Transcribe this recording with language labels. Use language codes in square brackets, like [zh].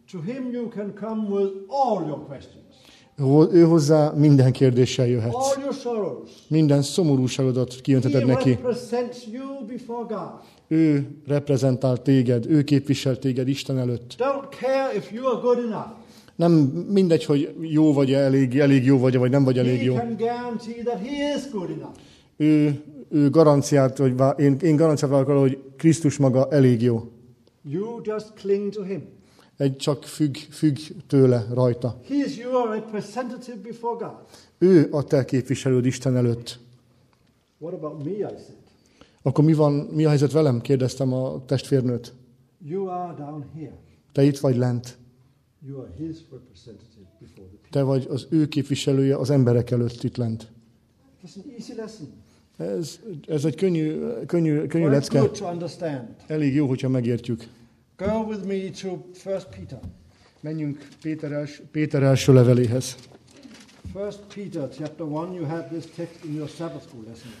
[en] To him you can come with all your questions. [hu] Ő hozzá minden kérdéssel jöhet. [en] All your sorrows. [hu] Minden szomorúságodat kijöntheted neki. [en] He represents you before God. [hu] Ő reprezentál téged, ő képvisel téged Isten előtt. [en] Don't care if you are good enough. [hu] Nem mindegy, hogy jó vagy, elég jó vagy, vagy nem vagy elég jó. [en] He can guarantee that he is good enough. [hu] Ő garanciát, hogy én garanciát vállalok arra, hogy Krisztus maga elég jó. [en] You just cling to him. [hu] Egy csak függ tőle rajta. [en] He is your representative before God. [hu] Ő a te képviselőd Isten előtt. [en] What about me, I said. [hu] Akkor mi a helyzet velem? Kérdeztem a testvérnőt. [en] You are down here. [hu] Te itt vagy lent. [en] You are his representative before the people. [hu] Te vagy az ő képviselője az emberek előtt itt lent. [en] It's an easy lesson. [hu] Ez egy könnyű lecke. Elég jó, hogyha megértjük. [en] Go with me to 1 Peter. [hu] Menjünk Péter első leveléhez. [en] 1 Peter chapter 1, you have this text in your Sabbath school lesson.